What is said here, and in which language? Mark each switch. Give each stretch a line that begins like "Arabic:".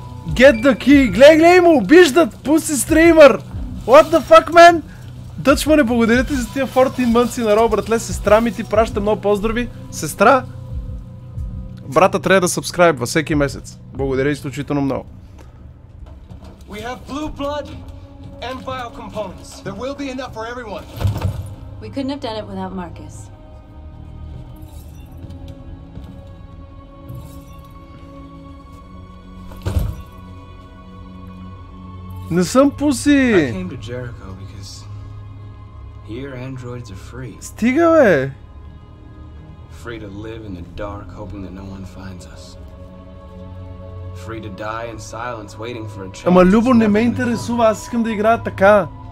English: Get the key!
Bulgarian: Гледай му, обиждат!
English: Pussy streamer! What the fuck, man?
Bulgarian: Дъчмане, благодаря ти за тия 14 мънци на Роу, братле! Сестра ми ти праща много поздрави! Сестра! Брата трябва да сабскрайбва всеки месец. Благодаря изключително много.
English: We have blue blood and biocomponents. There will be enough for everyone. We couldn't have done it without Marcus.
Bulgarian: Не съм пуси.
English: I came to Jericho because here androids are free.
Bulgarian: Стига, бе.
English: Free to live in the dark, hoping that no one finds us. Free to die in silence, waiting for a chance.
Bulgarian: Ама Любо, не ме интересува, аз искам да играя така.